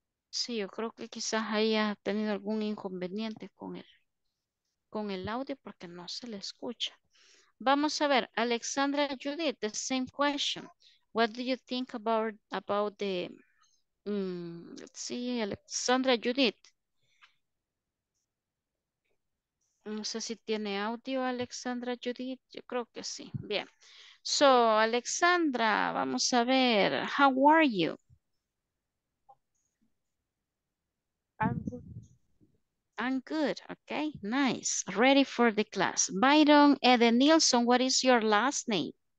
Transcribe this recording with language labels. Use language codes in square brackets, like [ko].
[es] Sí, yo creo que quizás haya tenido algún inconveniente con él. Con el audio porque no se le escucha. Vamos a ver, Alexandra Judith, [en] the same question. What do you think about the let's see, Alexandra Judith. [es] No sé si tiene audio Alexandra Judith, yo creo que sí. Bien. [en] So, Alexandra, [es] vamos a ver, [en] how are you? I'm good, okay, nice. Ready for the class. Byron Eden Nilsson, what is your last name?